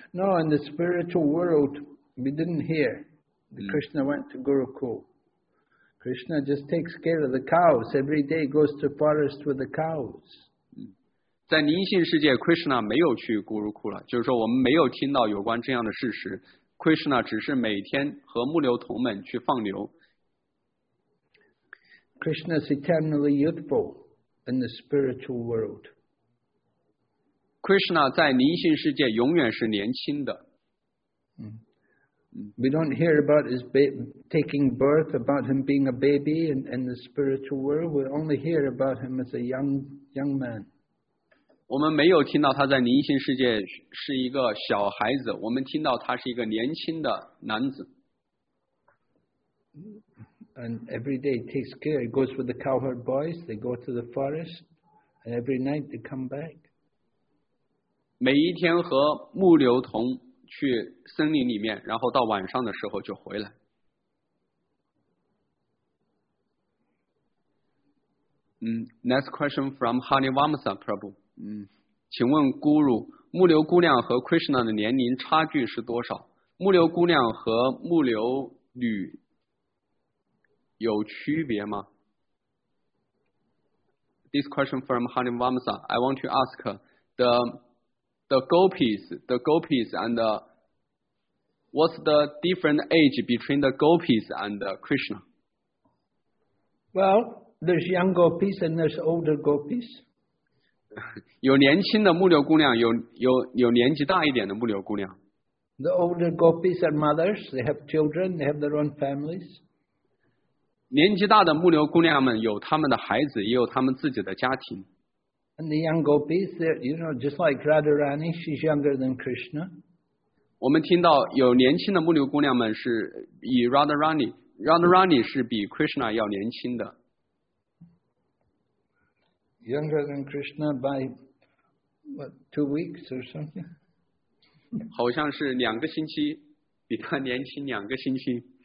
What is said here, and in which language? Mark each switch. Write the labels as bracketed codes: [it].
[en] No, in the spiritual world, we didn't hear that Krishna went to Gurukula. Krishna just takes care of the cows. Every day goes to forest with the cows. [zh] 在宁信世界 ，Krishna 没有去古鲁库拉，就是说我们没有听到有关这样的事实。 Krishna 只是每天和牧牛童们去放牛。 [en] Krishna is eternally youthful in the spiritual world. [zh] Krishna 在宁信世界永远是年轻的。 [en] We don't hear about his taking birth, about him being a baby in the spiritual world. We only hear about him as a young man. [zh] 我们没有听到他在灵性世界是一个小孩子，我们听到他是一个年轻的男子。 [en] And every day he takes care. He goes with the cowherd boys. They go to the forest, and every night they come back. [zh] 每一天和牧牛童。去森林里面，然后到晚上的时候就回来。 [en] Next question from Hani Vamsa Prabhu。 [zh] 请问 Guru， 牧牛姑娘和 Krishna 的年龄差距是多少？牧牛姑娘和牧牛女有区别吗 ？ [en] This question from Hani Vamsa。 I want to ask the gopis and the what's the different age between the gopis and Krishna? Well, there's young gopis and there's older gopis. [zh] 有年轻的牧牛姑娘，有年纪大一点的牧牛姑娘。 [en] The older gopis are mothers. They have children. They have their own families. [zh] 年纪大的牧牛姑娘们有他们的孩子，也有他们自己的家庭。 [en] And the young gopis, you know, just like Radharani, she's younger than Krishna. [zh] 我们听到有年轻的牧牛姑娘们是以 Radharani 是比 Krishna 要年轻的。 [en] Younger than Krishna by what, 2 weeks or something? [zh] 好像是两个星期，比他年轻两个星期。